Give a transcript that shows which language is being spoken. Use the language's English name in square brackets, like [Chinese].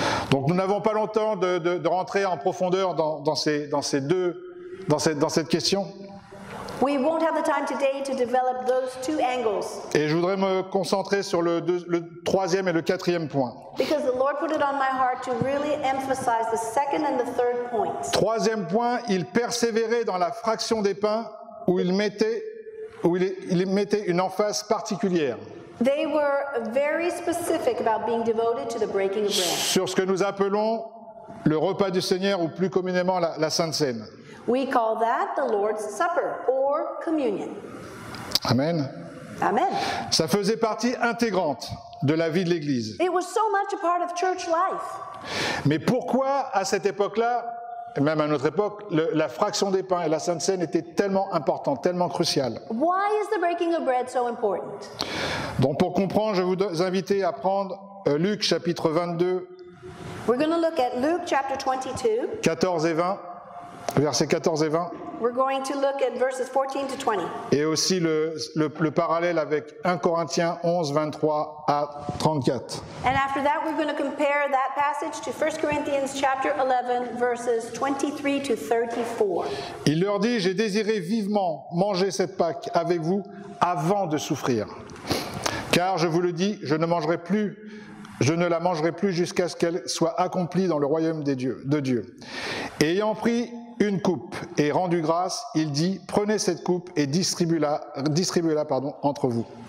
[French] Donc nous n'avons pas longtemps de rentrer en profondeur dans cette question. [English] We won't have the time today to develop those two angles. [French] Et je voudrais me concentrer sur le troisième et le quatrième point. [English] Because the Lord put it on my heart to really emphasize the second and the third point. [French] Troisième point, il persévérait dans la fraction des pains où il mettait une emphase particulière. [English] They were very specific about being devoted to the breaking of bread. [French] Sur ce que nous appelons le repas du Seigneur ou plus communément la Sainte Cène. [English] We call that the Lord's Supper or communion. Amen. Amen. [French] Ça faisait partie intégrante de la vie de l'Église. [English] It was so much a part of church life. [French] Mais pourquoi à cette époque-là, et même à notre époque, la fraction des pains et la Sainte Cène étaient tellement importantes, tellement cruciales? [English] Why is the breaking of bread so important? [French] Donc pour comprendre, je vous invite à prendre Luc chapitre 22. [English] We're going to look at Luke chapter 22. [French] 14 et 20. Versets 14 et 20. [English] We're going to look at verses 14 to 20. [French] Et aussi le parallèle avec 1 Corinthiens 11, 23 à 34. [English] And after that, we're going to compare that passage to 1 Corinthians chapter 11, verses 23 to 34. [French] Il leur dit, j'ai désiré vivement manger cette Pâque avec vous avant de souffrir. Car je vous le dis, je ne la mangerai plus jusqu'à ce qu'elle soit accomplie dans le royaume de Dieu. Et ayant pris une coupe et rendu grâce, il dit, prenez cette coupe et distribuez-la, entre vous.